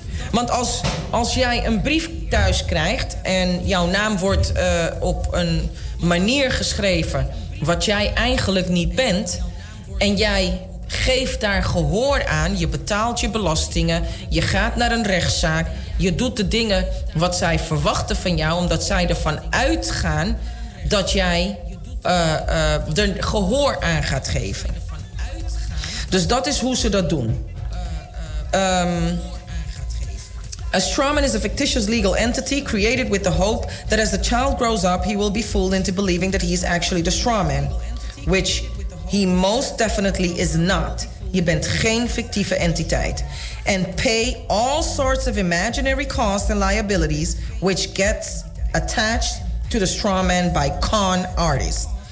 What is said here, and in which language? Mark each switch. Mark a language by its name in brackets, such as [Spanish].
[Dutch] Want als jij een brief thuis krijgt en jouw naam wordt op een manier geschreven wat jij eigenlijk niet bent, en jij geeft daar gehoor aan, je betaalt je belastingen, je gaat naar een rechtszaak, je doet de dingen wat zij verwachten van jou, omdat zij ervan uitgaan dat jij er gehoor aan gaat geven. Dus dat is hoe ze dat doen. [English] A straw man is a fictitious legal entity created with the hope that as the child grows up, he will be fooled into believing that he is actually the straw man. Which he most definitely is not. [Dutch] Je bent geen fictieve entiteit. [English] And pay all sorts of imaginary costs and liabilities which gets attached to the straw man by con artists.